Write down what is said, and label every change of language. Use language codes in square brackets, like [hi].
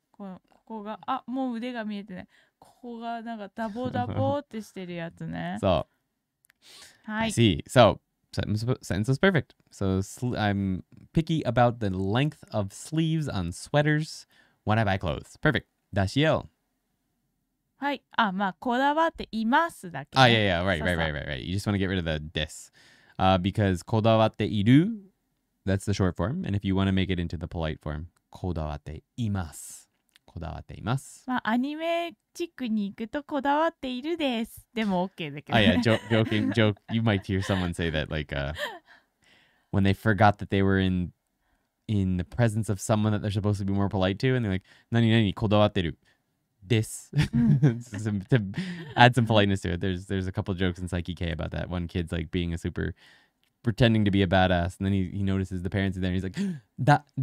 [ja] ここが、あ、もう腕が見えてない。ここがなんかダボダボってしてるやつね。そう。はい。 [en] I see. So, sentence was perfect. So, I'm picky about the length of sleeves on sweaters when I buy clothes. Perfect. Dashiel. [ja] はい。あ、まあ、こだわっていますだけ。あ、いやいや、 [en] right. You just want to get rid of the です。Because こだわっている、that's the short form. And if you want to make it into the polite form, [ja] こだわっています。こだわっています。まあ、アニメチックに行くとこだわっているです。でも OK だけど、ね。あ、いや、 [en] joking. You might hear someone say that, like, when they forgot that they were in the presence of someone that they're supposed to be more polite to, and they're like, [ja] 何々こだわってる。 [en] This to add some politeness to it. There's a couple jokes in Psyche K about that. One kid's like being a super pretending to be a badass, and then he notices the parents are there and he's like, das.